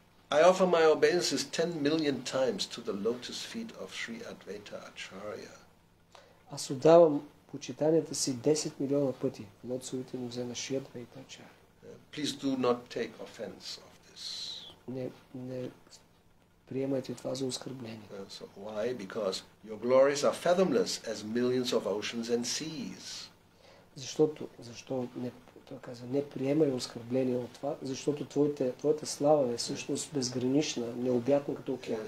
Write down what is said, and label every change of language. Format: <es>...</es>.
<en>I offer my obeisances 10 million times to the lotus feet of Sri Advaita Acharya.</en> <bg>Аз отдавам почитанията си 10 милиона пъти лотосовите нозе на Шри Адвайта Ачарья.</bg> <en>Please do not take offense of this.</en> <bg>Не приемайте това за оскърбление.</bg> <en>So why? Because your glories are fathomless as millions of oceans and seas.</en> <bg>Защо не, това казва, не приемай оскърбление от това, защото твоята слава е всъщност безгранична, необятна като океан.</bg>